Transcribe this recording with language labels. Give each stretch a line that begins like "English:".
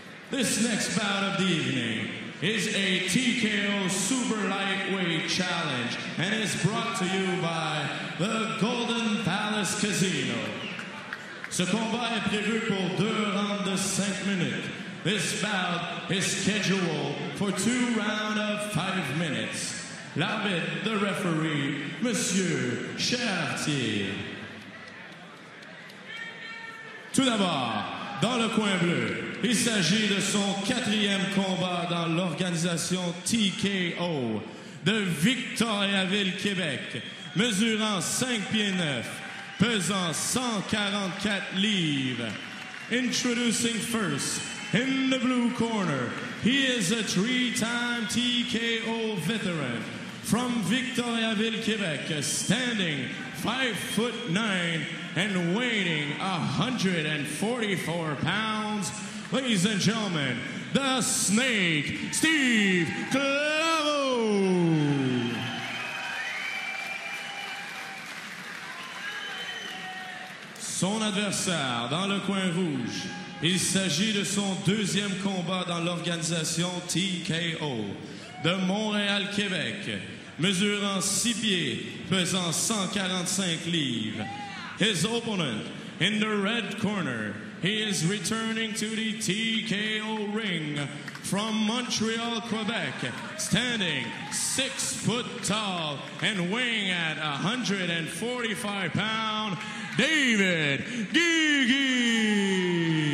English: This next bout of the evening is a TKO Super Lightweight Challenge and is brought to you by the Golden Palace Casino.
French: Ce combat est prévu pour deux rounds de 5 minutes.
English: This bout is scheduled for 2 rounds of 5 minutes.
French: L'arbitre,
English: the referee,
French: Monsieur Chartier. Tout d'abord, dans le coin bleu, il s'agit de son quatrième combat dans l'organisation TKO de Victoriaville, Québec, mesurant 5 pieds 9, pesant 144 livres.
English: Introducing first, in the blue corner, he is a three-time TKO veteran from Victoriaville, Québec, standing 5'9" and weighing 144 pounds, ladies and gentlemen, the Snake, Steve Clavo.
French: Son adversaire dans le coin rouge, il s'agit de son deuxième combat dans l'organisation TKO de Montréal, Québec, mesurant 6 pieds, pesant 145 livres.
English: His opponent, in the red corner, he is returning to the TKO ring from Montreal, Quebec, standing 6 foot tall and weighing at 145 pounds, David Gigi.